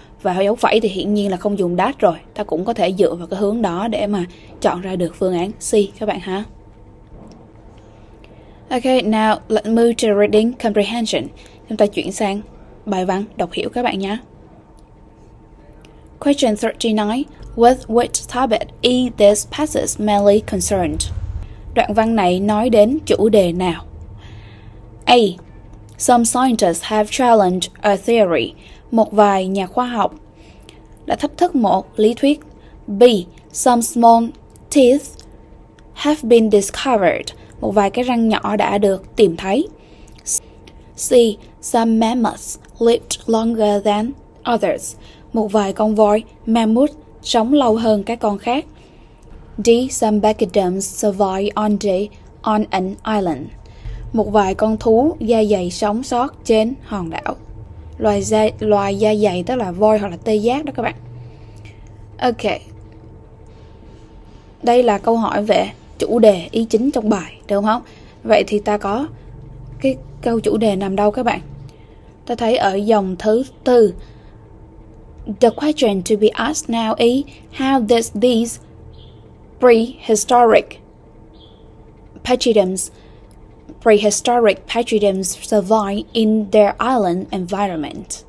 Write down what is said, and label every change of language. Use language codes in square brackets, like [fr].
[vi] Và dấu phẩy thì hiển nhiên là không dùng that rồi, ta cũng có thể dựa vào cái hướng đó để mà chọn ra được phương án C các bạn ha. [en] Ok, now let's move to reading comprehension. [vi] Chúng ta chuyển sang bài văn đọc hiểu các bạn nhé. [en] Question 39. With which topic is this passage mainly concerned? [vi] Đoạn văn này nói đến chủ đề nào? A. [en] Some scientists have challenged a theory. [vi] Một vài nhà khoa học đã thách thức một lý thuyết. B. [en] Some small teeth have been discovered. [vi] Một vài cái răng nhỏ đã được tìm thấy. C. [en] Some mammoths lived longer than others. [vi] Một vài con voi, mammoth, sống lâu hơn các con khác. D. [en] Some bacteriums survive on an island. [vi] Một vài con thú da dày sống sót trên hòn đảo. Loài da dày tức là voi hoặc là tê giác đó các bạn. Ok, đây là câu hỏi về chủ đề ý chính trong bài, đúng không? Vậy thì ta có cái câu chủ đề nằm đâu các bạn? Ta thấy ở dòng thứ tư. [en] The question to be asked now is how does these prehistoric pachyderms survive in their island environment?